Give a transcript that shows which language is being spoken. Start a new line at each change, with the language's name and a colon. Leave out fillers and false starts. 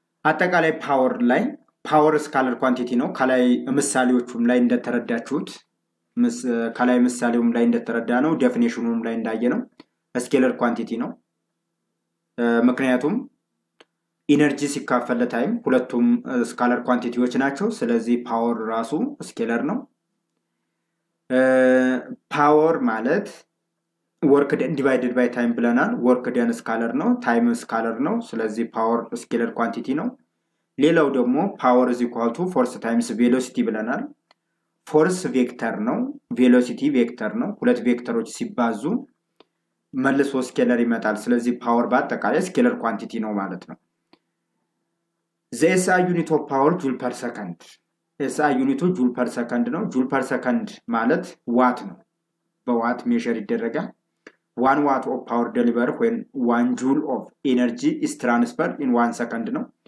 Amharic: አጠቃላይ ፓወር ላይ ፓወር ስካለር ኳንቲቲ ነው. ከላይ ምሳሌዎቹም ላይ እንደተረዳችሁት ከላይ ምሳሌውም ላይ እንደተረዳ ነው. ዴፊኒሽኑም ላይ እንዳየ ነው ስኬለር ኳንቲቲ ነው. ምክንያቱም ኢነርጂ ሲካፈል ለታይም ሁለቱም ስካለር ኳንቲቲዎች ናቸው. ስለዚህ ፓወር ራሱ ስኬለር ነው. ፓወር ማለት
English: work done divided by time
Amharic: ብለናል. work done scalar ነው. time scalar ነው. ስለዚህ power scalar quantity ነው. ሌላው ደግሞ
English: power is equal to force times velocity
Amharic: ብለናል.
English: force vector ነው. velocity vector ነው.
Amharic: ሁለት vectorዎች ሲባዙ መልሶ scalar ይመጣል. ስለዚህ
English: power
Amharic: በአጠቃላይ
English: scalar quantity
Amharic: ነው ማለት ነው.
English: the SI unit of power joule per second.
Amharic: SI ዩኒቱ ጁል ፐር ሰከንድ ነው. ጁል ፐር ሰከንድ ማለት ዋት ነው. በዋት ሜዥር ይደረጋል.
English: 1 ዋት ኦፍ ፓወር ዴሊቨር when 1 ጁል ኦፍ ኢነርጂ ኢስ ትራንስፈርድ ኢን 1 ሰከንድ ነው.